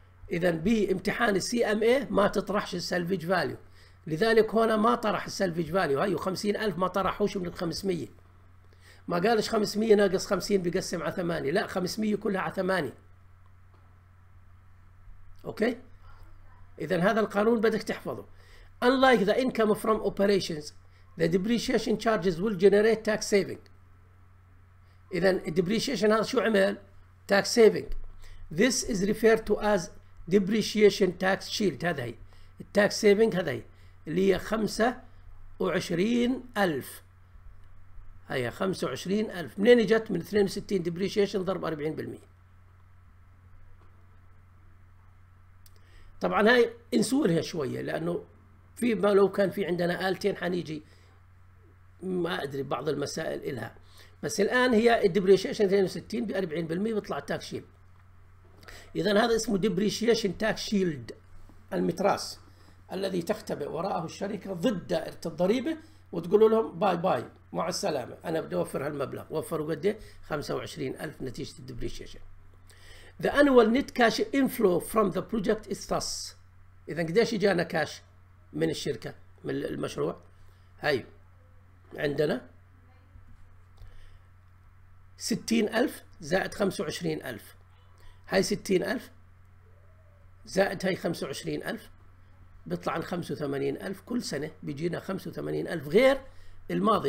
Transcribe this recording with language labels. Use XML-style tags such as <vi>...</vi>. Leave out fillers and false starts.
<ar>اذا بامتحان السي ام اي ما تطرحش السلفج فاليو, لذلك هنا ما طرح السلفج فاليو. هيو 50,000 ما طرحوش من ال 500, ما قالش 500 ناقص 50 بيقسم على 8, لا 500 كلها على 8. اوكي اذا هذا القانون بدك تحفظه.</ar> <en>Unlike the income from operations the depreciation charges will generate tax saving.</en> <ar>اذا depreciation هذا شو عمل؟ tax saving.</ar> <en>This is referred to as depreciation tax shield.</en> <ar>هذا هي التاكس سيفنج, هذا هي اللي هي 25,000. هي 25,000 منين اجت؟ من 62 depreciation ضرب 40%. طبعا هاي انسولها شويه لانه في ما لو كان في عندنا آلتين حنيجي ما ادري بعض المسائل الها, بس الان هي الديبريشيشن 62 ب 40% بيطلع التاكس شيلد. اذا هذا اسمه ديبريشيشن تاكس شيلد, المتراس الذي تختبئ وراءه الشركه ضد الضريبه وتقول لهم باي باي مع السلامه, انا بدي اوفر هالمبلغ. وفروا قد ايه؟ 25,000 نتيجه الديبريشيشن.</ar> <en>The annual net cash inflow from the project is thus.</en> <ar>إذا قديش جانا كاش من الشركة من المشروع؟ هاي عندنا 60,000 زائد 25,000. هاي 60,000 زائد هاي 25,000 بيطلع عن 85,000 كل سنة, بيجينا 85,000 غير الماضي.</ar>